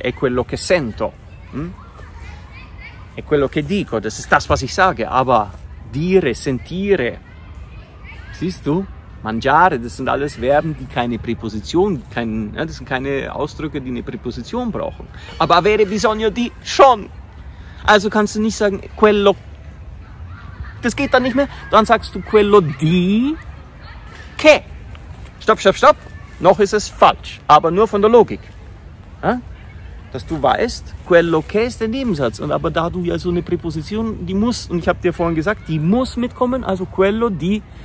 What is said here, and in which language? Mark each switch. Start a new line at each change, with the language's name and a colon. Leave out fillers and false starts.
Italian: È quello che sento. È quello che dico.
German: Das ist das, was ich sage. Aber
Italian: dire, sentire.
German: Siehst du? Mangiare, das sind alles Verben, die keine Präposition, das sind keine Ausdrücke, die eine Präposition brauchen. Aber
Italian: avere bisogno di
German: schon. Also kannst du nicht sagen, quello. Das geht dann nicht mehr. Dann sagst du
Italian: quello di che.
German: Stopp. Noch ist es falsch, aber nur von der Logik. Dass du weißt,
Italian: quello che
German: ist der Nebensatz. Und aber da du ja so eine Präposition, die muss, und ich habe dir vorhin gesagt, die muss mitkommen, also
Italian: quello di.